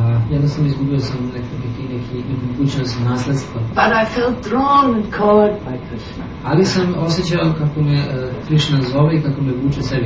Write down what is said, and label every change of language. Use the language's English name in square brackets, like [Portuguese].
[Serbian] Jednostavno izgubio sam neki mogućnost nasledstva. [English] But I felt drawn and called by Krishna. [Serbian] Ali sam osjećao kako me Krishna zove i kako me vuče sebi.